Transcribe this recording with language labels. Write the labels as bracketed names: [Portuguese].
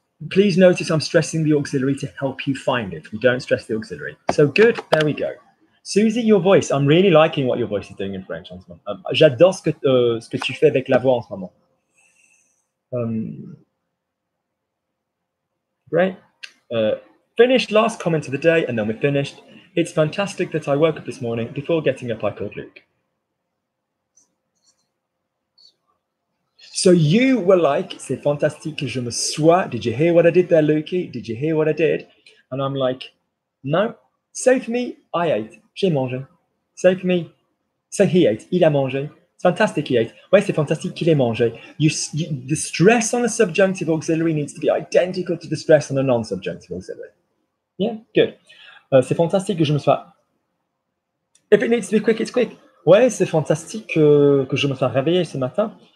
[English] Please notice I'm stressing the auxiliary to help you find it. We don't stress the auxiliary. So good. There we go. Susie, your voice. I'm really liking what your voice is doing in French [French] en ce moment. J'adore ce que tu fais avec la voix en ce moment. [English] Great. Finished last comment of the day, and then we finished. It's fantastic that I woke up this morning. Before getting up, I called Luke. So you were like, [French] c'est fantastique que je me sois. [English] Did you hear what I did there, Lukey? Did you hear what I did? And I'm like, no. Save me, I ate. [French] J'ai mangé. [English] Save me. So he ate. [French] Il a mangé. [English] It's fantastic, he ate. [French] Ouais, c'est fantastique qu'il ait mangé. [English] The stress on a subjunctive auxiliary needs to be identical to the stress on a non-subjunctive auxiliary. Yeah, good. [French] C'est fantastique que je me sois... [English] If it needs to be quick, it's quick. [French] Ouais, c'est fantastique que je me sois réveillé ce matin.